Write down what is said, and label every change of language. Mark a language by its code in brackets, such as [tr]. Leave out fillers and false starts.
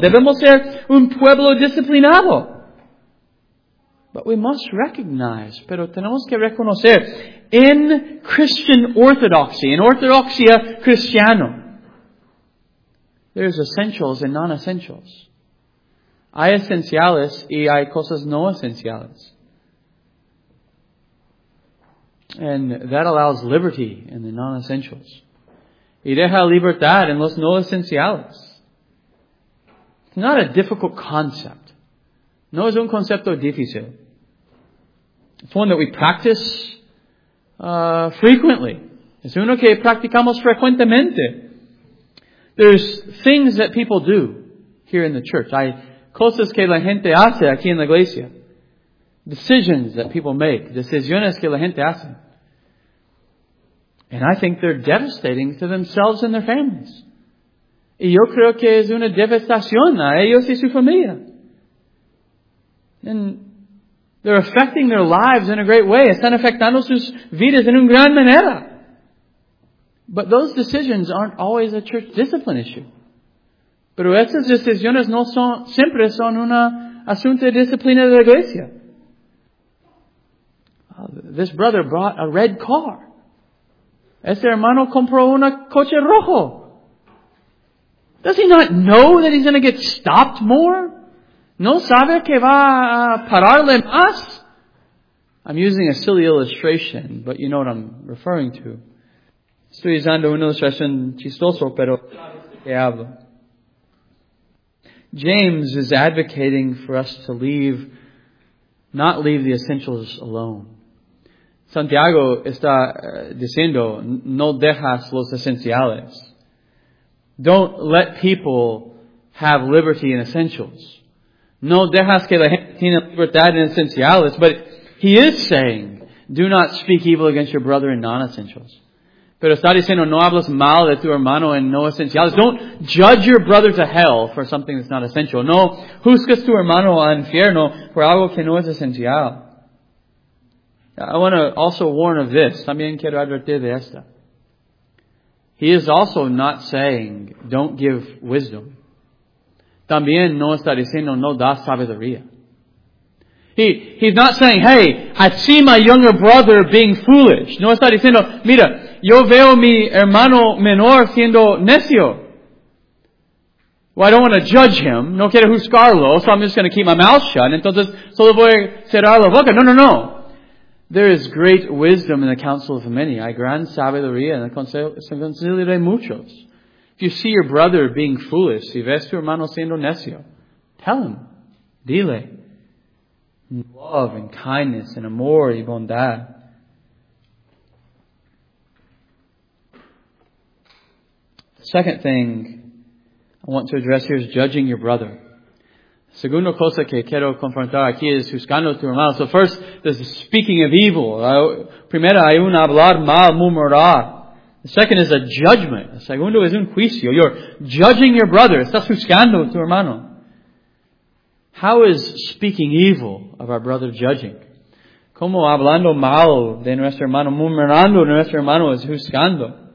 [es] Debemos ser un pueblo disciplinado. [en] But we must recognize, [es] pero tenemos que reconocer, [en] in Christian orthodoxy, [es] in ortodoxia cristiano, [en] there's essentials and non-essentials. [es] Hay esenciales y hay cosas no esenciales. [en] And that allows liberty in the non-essentials. [es] Y deja libertad en los no esenciales. [en] It's not a difficult concept. [es] No es un concepto difícil. [en] It's one that we practice frequently. [es] Es uno que practicamos frecuentemente. [en] There's things that people do here in the church. [es] Hay cosas que la gente hace aquí en la iglesia. [en] Decisions that people make. [es] Decisiones que la gente hace. [en] And I think they're devastating to themselves and their families. [es] Y yo creo que es una devastación a ellos y su familia. [en] And they're affecting their lives in a great way. [es] Están afectando sus vidas en una gran manera. [en] But those decisions aren't always a church discipline issue. [es] Pero esas decisiones no son, siempre son un asunto de disciplina de la iglesia. [en] This brother bought a red car. [es] Este hermano compró un coche rojo. [en] Does he not know that he's going to get stopped more? [es] ¿No sabe que va a pararle más? [en] I'm using a silly illustration, but you know what I'm referring to. [es] Estoy usando una ilustración chistoso, pero que hablo. [en] James is advocating for us to not leave the essentials alone. [es] Santiago está diciendo, no dejas los esenciales. [en] Don't let people have liberty in essentials. [es] No dejas que la gente tenga libertad en esenciales. [en] But he is saying, do not speak evil against your brother in non-essentials. [es] Pero está diciendo, no hablas mal de tu hermano en no esenciales. [en] Don't judge your brother to hell for something that's not essential. [es] No juzgas tu hermano al infierno por algo que no es esencial. [en] I want to also warn of this. [es] También quiero advertir de esta. [en] He is also not saying, don't give wisdom. [es] También no está diciendo, no das sabiduría. [en] He's not saying, hey, I see my younger brother being foolish. [es] No está diciendo, mira, yo veo mi hermano menor siendo necio. [en] Well, I don't want to judge him. [es] No quiero juzgarlo, [en] so I'm just going to keep my mouth shut. [es] Entonces, solo voy a cerrar la boca. No. [en] There is great wisdom in the counsel of many. [es] Hay gran sabiduría en el consejo de muchos. [en] If you see your brother being foolish, [es] si ves tu hermano siendo necio, [en] tell him, [es] dile. [en] Love and kindness and [es] amor y bondad. [en] The second thing I want to address here is judging your brother. [es] Segunda cosa que quiero confrontar aquí es juzgando a tu hermano. [en] So first, there's the speaking of evil. [es] Primero, hay un hablar mal, murmurar. [en] The second is a judgment. [es] El segundo es un juicio. [en] You're judging your brother. [es] Estás juzgando a tu hermano. [en] How is speaking evil of our brother judging? [es] ¿Cómo hablando mal de nuestro hermano, murmurando de nuestro hermano es juzgando?